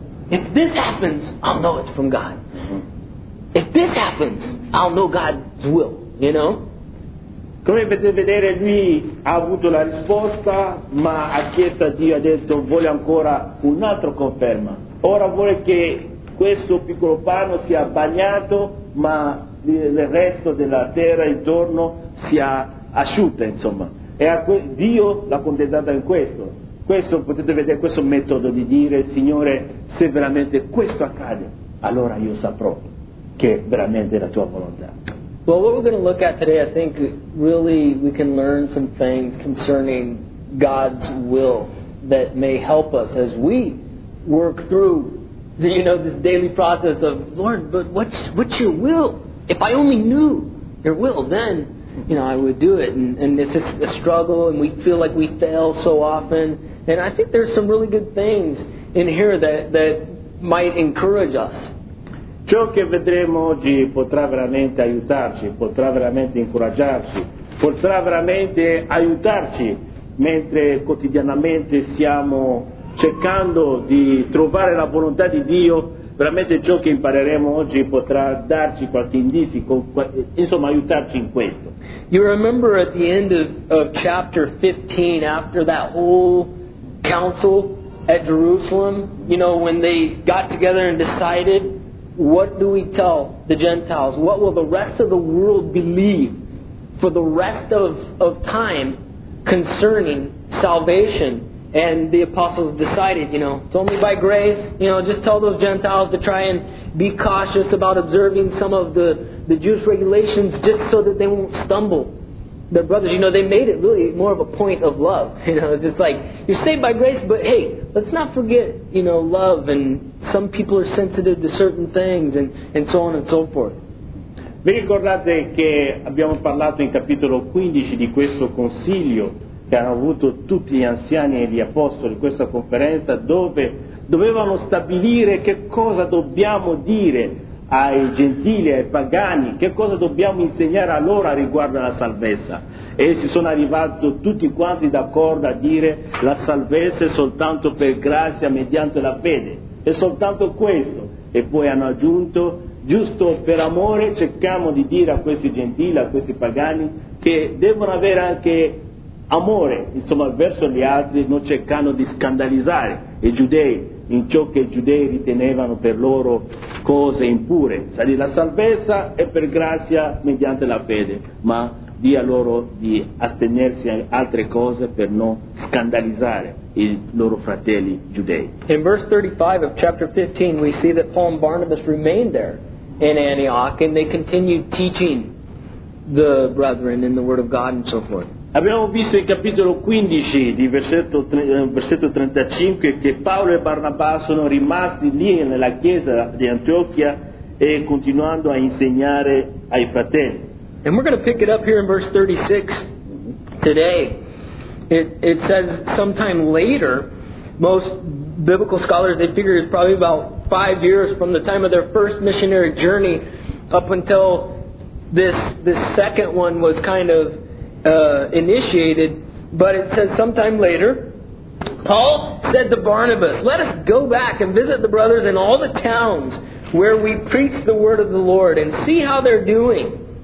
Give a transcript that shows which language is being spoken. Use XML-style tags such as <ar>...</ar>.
<en>if this happens, I'll know it's from God. If this happens, I'll know God's will, you know?</en> <it>Come potete vedere, lui ha avuto la risposta, ma ha chiesto a Dio, ha detto, voglio ancora un'altra conferma. Ora vuole che questo piccolo panno sia bagnato, ma il resto della terra intorno sia asciutta, insomma. E Dio l'ha contentata in questo. Questo potete vedere, questo metodo di dire, Signore, se veramente questo accade, allora io saprò che veramente è la tua volontà.</it> <en>Well, what we're going to look at today, I think really we can learn some things concerning God's will that may help us as we work through, you know, this daily process of, Lord, but what's your will? If I only knew your will, then, you know, I would do it. And it's just a struggle, and we feel like we fail so often. And I think there's some really good things in here that might encourage us.</en> <it>Ciò che vedremo oggi potrà veramente aiutarci, potrà veramente incoraggiarci, potrà veramente aiutarci mentre quotidianamente stiamo cercando di trovare la volontà di Dio. Veramente ciò che impareremo oggi potrà darci qualche indizio, insomma aiutarci in questo.</it> <en>You remember at the end of chapter 15, after that whole council at Jerusalem, you know, when they got together and decided, what do we tell the Gentiles? What will the rest of the world believe for the rest of time concerning salvation? And the apostles decided, you know, it's only by grace. You know, just tell those Gentiles to try and be cautious about observing some of the Jewish regulations just so that they won't stumble. Their brothers, you know, they made it really more of a point of love. You know, it's just like, you're saved by grace, but hey, let's not forget, you know, love, and some people are sensitive to certain things, and so on and so forth.</en> <it>Vi ricordate che abbiamo parlato in capitolo 15 di questo consiglio che hanno avuto tutti gli anziani e gli apostoli, questa conferenza, dove dovevano stabilire che cosa dobbiamo dire ai gentili, ai pagani, che cosa dobbiamo insegnare a loro riguardo alla salvezza. E si sono arrivati tutti quanti d'accordo a dire la salvezza è soltanto per grazia mediante la fede, è soltanto questo. E poi hanno aggiunto, giusto per amore, cerchiamo di dire a questi gentili, a questi pagani, che devono avere anche amore, insomma, verso gli altri, non cercando di scandalizzare i giudei in ciò che i giudei ritenevano per loro cose impure. Salì la salvezza è per grazia mediante la fede, ma di a loro di astenersi a altre cose per non scandalizzare i loro fratelli giudei.</it> <en>In verse 35 of chapter 15 we see that Paul and Barnabas remained there in Antioch and they continued teaching the brethren in the word of God and so forth.</en> <it>Abbiamo visto in capitolo 15 di versetto 35 che Paolo e Barnabà sono rimasti lì nella chiesa di Antiochia e continuando a insegnare ai fratelli.</it> <en>And we're going to pick it up here in verse 36 today. It says sometime later, most biblical scholars, they figure it's probably about 5 years from the time of their first missionary journey up until this second one was kind of initiated, but it says sometime later, Paul said to Barnabas, let us go back and visit the brothers in all the towns where we preach the word of the Lord and see how they're doing.</en>